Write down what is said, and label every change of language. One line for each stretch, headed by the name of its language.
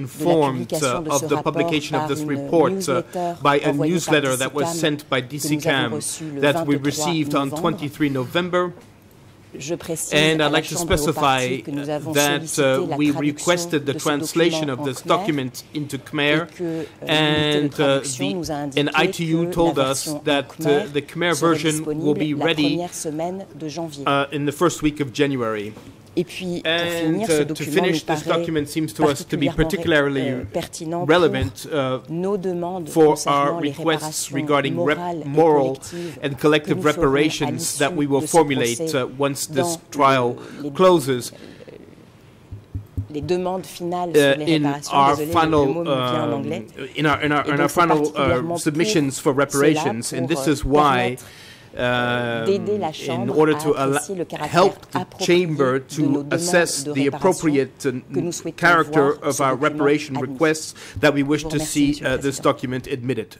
French: informés de la publication de ce rapport par une newsletter
English: that was sent by DCCAM that we received on 23 novembre.
French: Je précise
English: and I'd like to specify that we requested the translation of this document into Khmer and an ITU told us that the Khmer version will be ready in the first week of January.
French: Et puis,
English: and to finish, this document seems to us to be particularly relevant for our requests regarding moral and collective reparations that we will formulate once this trial closes.
French: Les demandes finales sur les réparations, désolé, final, le mot me vient en anglais.
English: In our final submissions for reparations, and this is why in order to help the chamber to assess the appropriate character of our reparation requests that we wish to see this document admitted.